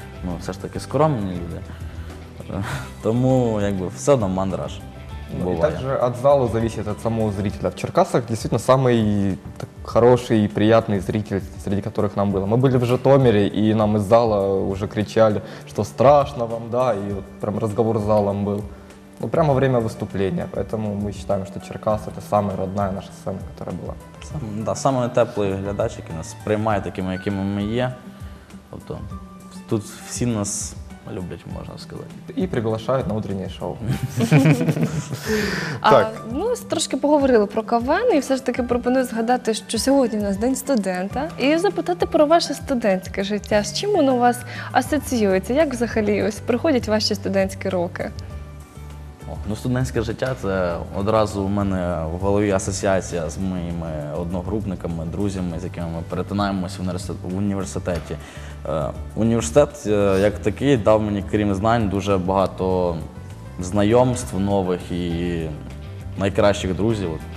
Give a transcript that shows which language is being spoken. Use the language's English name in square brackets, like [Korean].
[Ukrainian] Ми все ж таки скромні люди. Тому все одно мандраж буває. І також від залу залежить від самого зрителя. В Черкасах дійсно найкращий і приємний зритель, серед яких нам було. Ми були в Житомирі, і нам із залу вже кричали, що страшно вам, і прямо розмова з залом був. [Russian] Ну, прямо время выступления, поэтому мы считаем, что Черкас – это самая родная наша сцена, которая была. Да, самые теплые глядачики нас принимают такими, какими мы есть. Тут все нас любят, можно сказать. И приглашают на утреннее шоу. [Ukrainian] Ну, трошки поговорили про КВН, и все же таки пропоную згадати, [Russian] что сегодня у нас [Ukrainian] День студента, и запитати про ваше студентское життя. [Russian] С чем оно у вас ассоциируется? Как взагалі приходят ваши студентские роки? [Ukrainian] Ну, студентське життя – це одразу у мене в голові асоціація з моїми одногрупниками, друзями, з якими ми перетинаємось в університеті. Університет, як такий, дав мені, крім знань, дуже багато знайомств нових і найкращих друзів.